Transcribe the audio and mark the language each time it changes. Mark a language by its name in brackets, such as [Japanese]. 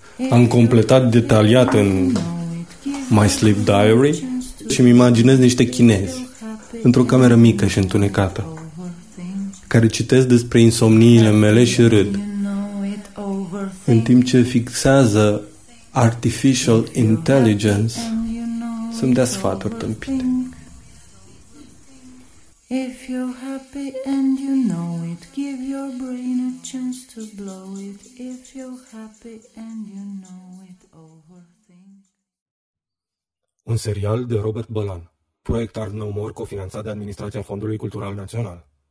[Romanian] Am completat detaliat în My Sleep Diary și îmi imaginez niște chinezi într-o cameră mică și întunecată care citesc despre insomniile mele și râd în timp ce fixează artificial intelligence să-mi dea sfaturi tâmpite. [English] If you're happy and you know it, give your brain a chance to blow it. If you're happy and you know it, over. [Romanian] Un serial de Robert Bălan. Proiect Art No More, cofinanțat de Administrația Fondului Cultural Național.